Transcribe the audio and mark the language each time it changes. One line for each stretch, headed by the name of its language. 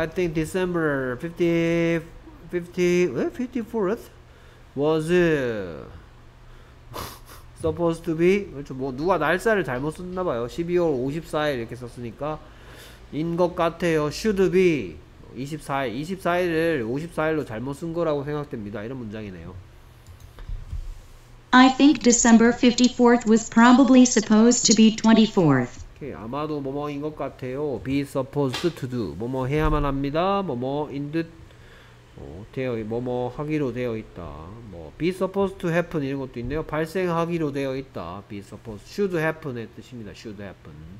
English: I think December 54th was supposed to be 그렇죠.
Korean: 뭐 누가 날짜를 잘못 썼나 봐요. 12월 54일 이렇게 썼으니까 인 것 같아요. should be 24일을 54일로 잘못 쓴 거라고 생각됩니다. 이런 문장이네요.
English: I think December 54th was probably supposed to be 24th.
Korean: 아마도 뭐뭐인 것 같아요.
English: Be supposed to do. 뭐뭐 해야만 합니다.
Korean: 뭐뭐 in 듯 되어 뭐뭐 하기로 되어 있다. 뭐 be supposed to happen 이런 것도 있네요. 발생하기로 되어 있다.
English: Be supposed should happen의 뜻입니다. Should happen.